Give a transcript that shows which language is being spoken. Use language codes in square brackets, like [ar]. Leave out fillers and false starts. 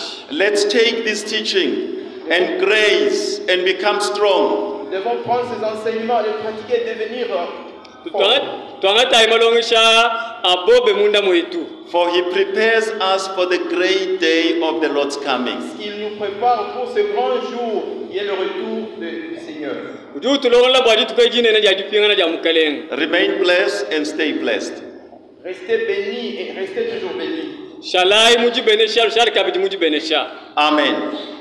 [en] Let's take this teaching and grace and become strong. [fr] Nous devons prendre ces enseignements, les pratiquer, devenir fort. [en] For he prepares us for the great day of the Lord's coming. [fr] Il nous prépare pour ce grand jour qui est le retour de [en] Remain blessed and stay blessed. [fr] Restez bénis et restez toujours bénis. [lua] Shalai muji benesha, shalai kabidi muji benesha. Amen.